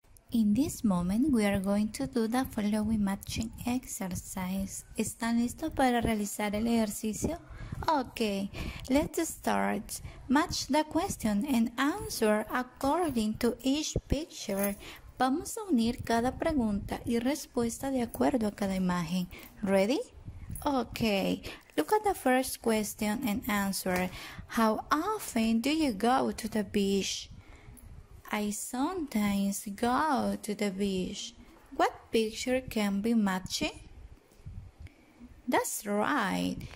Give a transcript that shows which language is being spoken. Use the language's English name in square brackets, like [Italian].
[English] In this moment, we are going to do the following matching exercise. [Spanish] ¿Están listos para realizar el ejercicio? [English] Okay, let's start. Match the question and answer according to each picture. [Spanish] Vamos a unir cada pregunta y respuesta de acuerdo a cada imagen. [English] Ready? Okay, look at the first question and answer. How often do you go to the beach? I sometimes go to the beach. What picture can be matching? That's right.